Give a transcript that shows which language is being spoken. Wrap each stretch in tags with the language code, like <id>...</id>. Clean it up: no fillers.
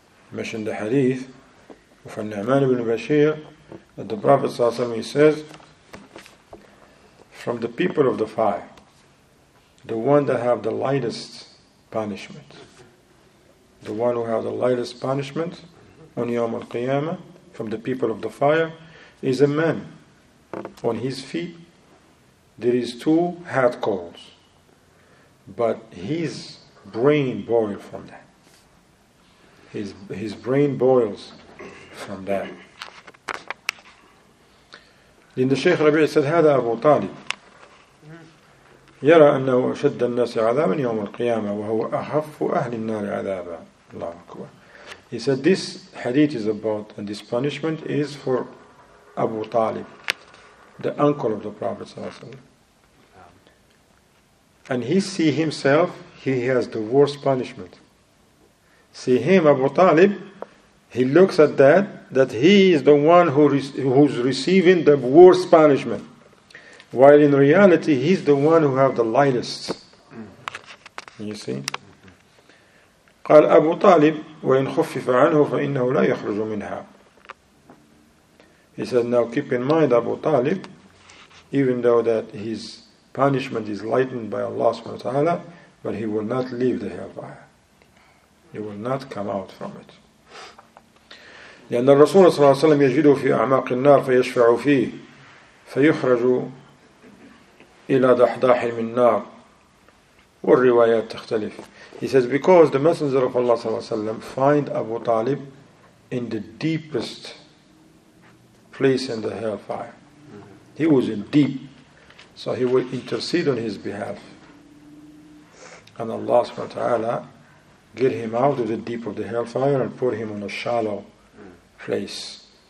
<en>Mentioned the hadith of Al-Nu'man ibn Bashir that the Prophet ﷺ says, from the people of the fire, the one that have the lightest punishment, the one who have the lightest punishment on Yawm al-Qiyamah, from the people of the fire, is a man. On his feet, there is two hot coals. But his brain boils from that. His brain boils from that. Then the Shaykh Rabi' said,</en> <ar>هذا أبو طالب يرى أنه أشد الناس عذابا يوم القيامة وهو أخف أهل النار عذابا. الله أكبر.</ar> <en>He said, this hadith is about, and this punishment is for Abu Talib, the uncle of the Prophet ﷺ. And he see himself, he has the worst punishment. See him, Abu Talib, he looks at that he is the one who's receiving the worst punishment. While in reality, he's the one who have the lightest. You see?</en> <ar>قال أبو طالب وإن خفف عنه فإنه لا يخرج منها.</ar> <en>He said, now keep in mind Abu Talib, even though that his punishment is lightened by Allah subhanahu wa ta'ala, but he will not leave the hellfire. He will not come out from it.</en> <ar>لأن الرسول صلى الله عليه وسلم يجد في أعماق النار فيشفع فيه فيخرج إلى دحداح من النار. والروايات تختلف.</ar> <en>He says, because the Messenger of Allah sallallahu alayhi wa sallam find Abu Talib in the deepest place in the hellfire. He was in deep. So he will intercede on his behalf. And Allah subhanahu wa ta'ala get him out of the deep of the hellfire and put him on a shallow place.</en>